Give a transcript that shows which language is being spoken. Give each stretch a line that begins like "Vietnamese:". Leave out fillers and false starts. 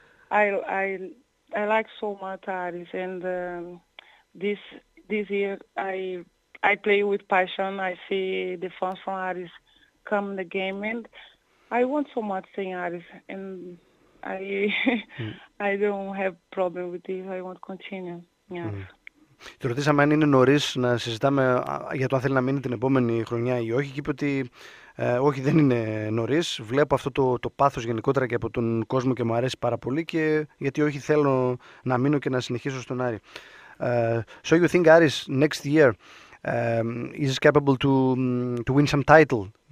English: I like so much Aris, and this year I play with passion. I see the fans from Aris come in the game, and I want so much to stay in Aris, and I don't have problem with this. I want to continue.
Greek: Τη ρωτήσαμε αν είναι νωρίς να συζητάμε για το αν θέλει να μείνει την επόμενη χρονιά ή όχι, και είπε ότι όχι, δεν είναι νωρίς. Βλέπω αυτό το πάθος γενικότερα και από τον κόσμο, και μου αρέσει πάρα πολύ, και γιατί όχι, θέλω να μείνω και να συνεχίσω στον Άρη.
English: So you think Aris next year is capable to win some title?